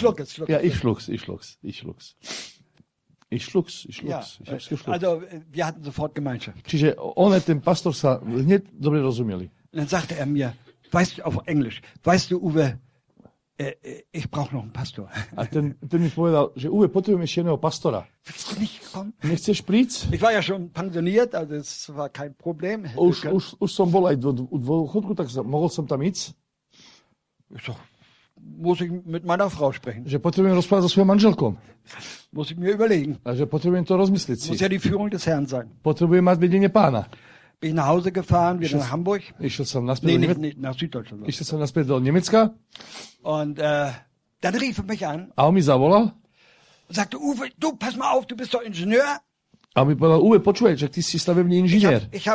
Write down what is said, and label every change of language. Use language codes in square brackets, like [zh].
[de] Schluck es. Ja, ich schluck's. Ich schluck's. Also, wir hatten sofort Gemeinschaft. [sk] Čiže on a ten pastor sa hneď dobre rozumeli. [de] Dann sagte er mir, weißt du, auf Englisch, weißt du, Uwe, ich brauch noch einen Pastor. [sk] A ten mi povedal, že Uwe, potrebujem ešte jedného pastora. [de] Willst du nicht kommen? [sk] Nechceš príc? [de] Ich war ja schon pensioniert, also es war kein Problem. [sk] Už som bol aj v dôchodku, tak mohol som tam ísť. [de] So, muss ich mit meiner Frau sprechen. [sk] Že potrebujem rozprávať so svojou manželkou. [de] Muss ich mir überlegen. [sk] A že potrebujem to rozmysliť si. [de] Muss ja die Führung des Herrn sein. [sk] Potrebujem mať vedenie Pána. [de] Bin nach Hause gefahren, wieder nach Hamburg. [sk] Išiel som naspäť do Nemecka. [de] Und dann rief er mich an. [sk] A on mi zavolal. [de] Sagte, Uwe, du, pass mal auf, du bist doch Ingenieur. [sk] A mi povedal, Uwe, počuj, že ty si stavebný inžinier.